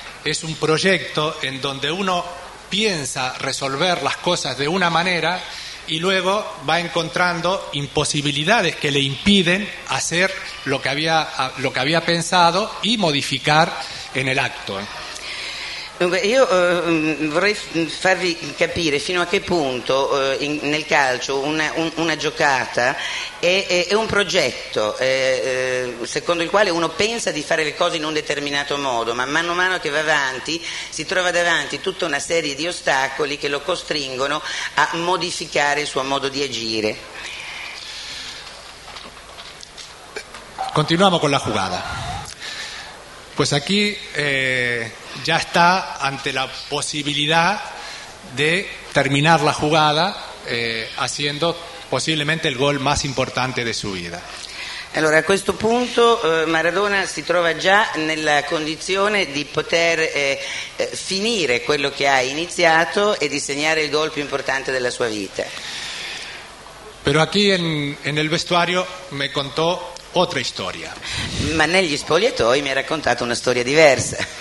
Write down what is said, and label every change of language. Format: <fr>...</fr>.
<es>Es un proyecto en donde uno piensa resolver las cosas de una manera y luego va encontrando imposibilidades que le impiden hacer lo que había pensado y modificar en el acto.</es> <it>Dunque, io vorrei farvi capire fino a che punto nel calcio una giocata è un progetto secondo il quale uno pensa di fare le cose in un determinato modo, ma mano a mano che va avanti si trova davanti tutta una serie di ostacoli che lo costringono a modificare il suo modo di agire. Continuiamo con la</it> <es>jugada. Pues aquí ya está ante la posibilidad de terminar la jugada haciendo posiblemente el gol más importante de su vida.</es> <it>Allora, a questo punto Maradona si trova già nella condizione di poter finire quello che ha iniziato e di segnare il gol più importante della sua vita.</it> <es>Pero aquí en el vestuario me contó otra historia.</es> <it>Ma negli spogliatoi mi ha raccontato una storia diversa.</it>